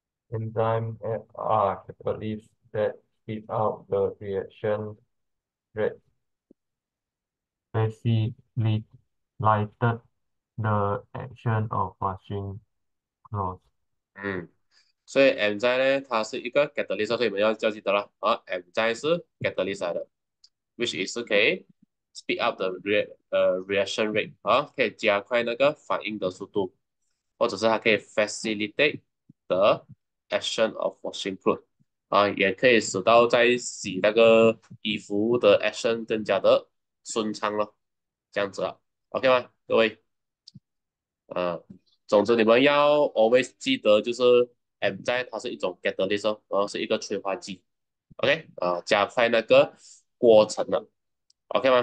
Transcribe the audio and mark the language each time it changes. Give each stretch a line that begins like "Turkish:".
English: Enzyme are catalysts that speed up the reaction rate, basically lighted the action of washing clothes.
Chinese: 所以 enzyme 呢，它是一个 catalyst，所以你们要记得了。 enzyme 是 catalyst 来的，which is 可以
English: speed up the reaction rate，
Chinese: 可以加快那个反应的速度。或者是它可以
English: facilitate the action of washing clothes，
Chinese: 也可以使到在洗那个衣服的 action 更加的顺畅了，这样子啊，OK 吗？各位，总之，你们要 always 记得，就是 enzyme 它是一种 catalyst，然后是一个催化剂，OK 啊，加快那个过程了，OK 吗？